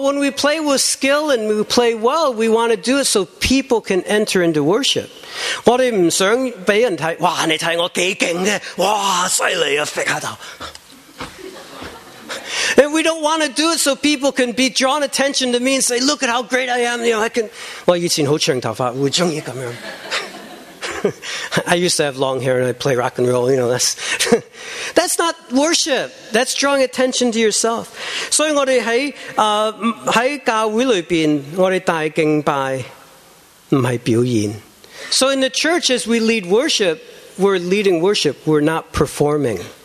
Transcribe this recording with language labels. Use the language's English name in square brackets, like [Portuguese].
[English] when we play with skill and we play well, we want to do it so people can enter into worship. [Cantonese] 我哋唔想俾人睇，哇！你睇我几劲嘅，哇！犀利啊，揈下头。 [English] And we don't want to do it so people can be drawn attention to me and say, look at how great I am. You know, I can. [Cantonese] 我以前好长头发，会中意咁样。 [English] I used to have long hair and I'd play rock and roll, you know, that's not worship. That's drawing attention to yourself. [Cantonese] 所以我哋喺教会里边，我哋大敬拜唔系表演。 [English] So in the church, as we lead worship, we're leading worship, we're not performing.